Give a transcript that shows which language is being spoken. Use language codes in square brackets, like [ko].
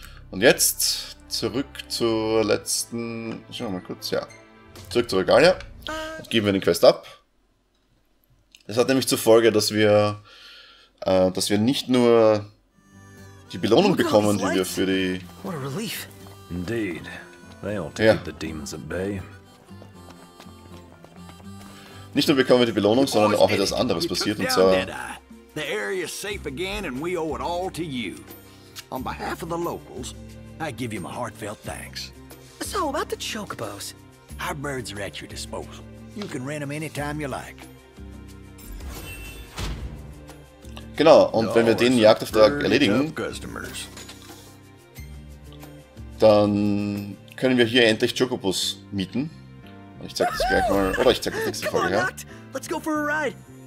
[de] Und jetzt zurück zur letzten... Schauen wir mal kurz, ja. Zurück zur Regalia. Und geben wir den Quest ab. Das hat nämlich zur Folge, dass wir nicht nur die Belohnung bekommen, die wir für die... [en] What a relief. Indeed. They ought to keep the demons at bay. [de] Nicht nur bekommen wir die Belohnung, sondern auch etwas anderes passiert, und zwar... [en] The area is safe again and we owe it all to you. On behalf of the locals, I give you my heartfelt thanks. So, about the chocobos. Our birds are at your disposal. You can rent them anytime you like. [de] Genau, und wenn wir den Jagdauftrag erledigen, dann können wir hier endlich Chocobos mieten. Und ich zeig das gleich mal, oder ich zeig das nächste Folge, ja. [en] Let's go for a ride.